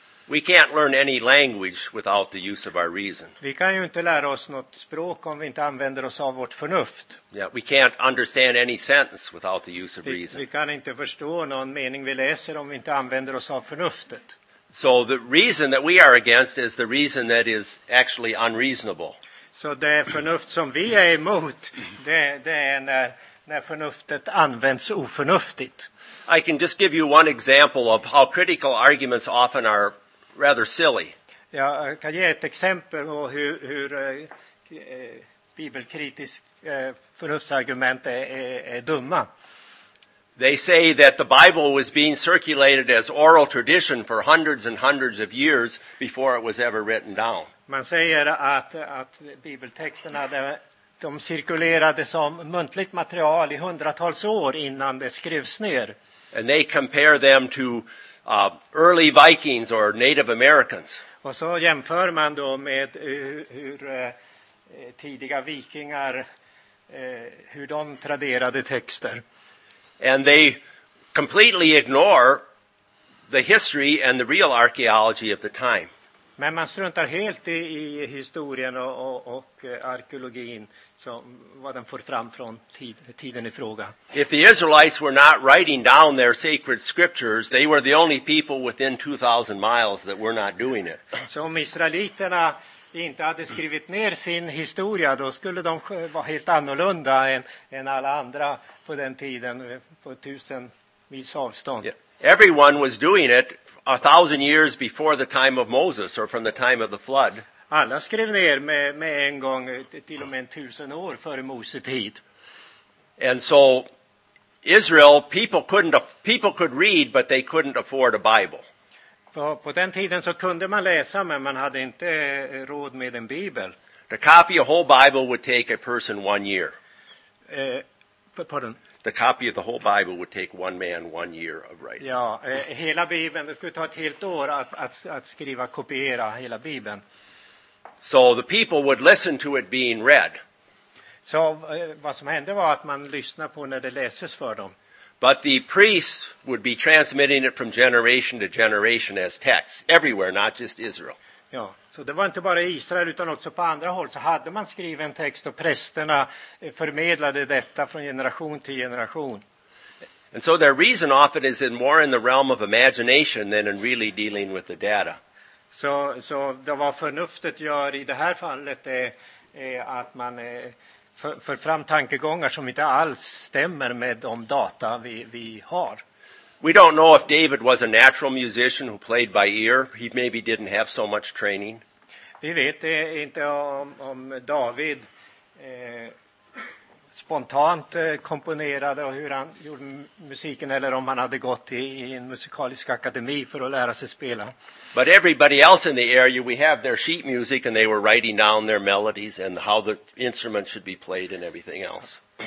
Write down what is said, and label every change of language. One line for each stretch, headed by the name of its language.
English: We can't learn any language without the use of our reason.
Swedish: Vi kan ju inte lära oss något språk om vi inte använder oss av vårt förnuft.
English: Yeah, we can't understand any sentence without the use of reason.
Swedish: Vi kan inte förstå någon mening vi läser om vi inte använder oss av förnuftet.
English: So the reason that we are against is the reason that is actually unreasonable.
Swedish: Så det förnuft som vi är emot, det är när förnuftet används oförnuftigt.
English: I can just give you one example of how critical arguments often are rather silly.
Swedish: Jag kan ge ett exempel på hur bibelkritisk förnuftsargument är dumma.
English: They say that the Bible was being circulated as oral tradition for hundreds and hundreds of years before it was ever written down.
Swedish: Man säger att bibeltexterna, de cirkulerade som muntligt material i hundratals år innan det skrevs ner.
English: And they compare them to early Vikings or Native Americans.
Swedish: Och så jämför man då med hur tidiga vikingar, hur de traderade texter.
English: And they completely ignore the history and the real archaeology of the time.
Swedish: Men man struntar helt i historien och arkeologin, så vad den får fram från tiden i fråga.
English: If the Israelites were not writing down their sacred scriptures, they were the only people within 2000 miles that were not doing it.
Swedish: Så om israeliterna inte hade skrivit ner sin historia, då skulle de vara helt annorlunda än alla andra på den tiden, på 1000 mils avstånd. Yeah.
English: Everyone was doing it 1,000 years before the time of Moses or from the time of the flood.
Swedish: Alla skrev ner med en gång till och med 1,000 år före Moses tid.
English: And so Israel, people could read, but they couldn't afford a Bible.
Swedish: På den tiden så kunde man läsa, men man hade inte råd med en bibel.
English: To copy a whole Bible would take a person 1 year. Pardon? To copy of the whole Bible would take one man 1 year of writing.
Swedish: Ja, hela bibeln, det skulle ta ett helt år att skriva, kopiera hela bibeln.
English: So the people would listen to it being read.
Swedish: Så vad som hände var att man lyssnade på när det läses för dem.
English: But the priests would be transmitting it from generation to generation as texts everywhere, not just Israel.
Swedish: Ja, så det var inte bara Israel utan också på andra håll. Så hade man skrivit en text och prästerna förmedlade detta från generation till generation.
English: And so their reason often is more in the realm of imagination than in really dealing with the data.
Swedish: Så det var förnuftet gör i det här fallet är att man för fram tankegångar som inte alls stämmer med de data vi har.
English: We don't know if David was a natural musician who played by ear. He maybe didn't have so much training.
Swedish: Vi vet inte om David spontant komponerade och hur han gjorde musiken eller om han hade gått i en musikalisk akademi för att lära sig spela.
English: But everybody else in the area, we have their sheet music and they were writing down their melodies and how the instrument should be played and everything else.